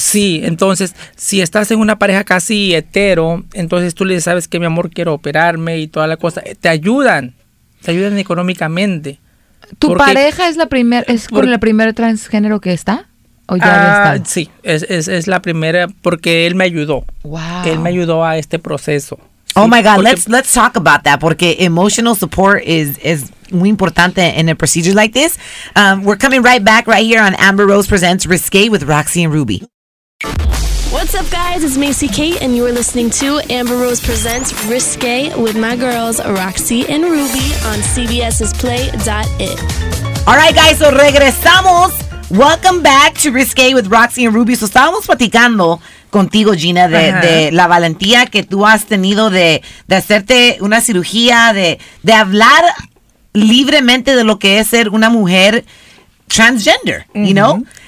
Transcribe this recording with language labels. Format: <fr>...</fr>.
<es>Sí, entonces si estás en una pareja casi hetero, entonces tú le sabes que mi amor quiero operarme y toda la cosa, te ayudan económicamente. ¿Tu porque, pareja es la primera, es con la primera transgénero que está? ¿O ya está? Sí, es la primera porque él me ayudó.</es> <en>Wow.</en> <es>Él me ayudó a este proceso.</es> <en>Sí, oh my God, porque, let's talk about that, porque emotional support is</en> <es>muy importante</es> <en>in a procedure like this. We're coming right back right here on Amber Rose Presents Risqué with Roxy and Ruby. What's up, guys? It's Macy Kate, and you're listening to Amber Rose Presents Risqué with my girls, Roxy and Ruby, on CBS's Play.it. All right, guys, so regresamos. Welcome back to Risqué with Roxy and Ruby.</en> <es>So estábamos platicando contigo, Gina, de la valentía que tú has tenido de hacerte una cirugía, de hablar libremente de lo que es ser una mujer transgender, mm-hmm.</es> <en>you know?</en>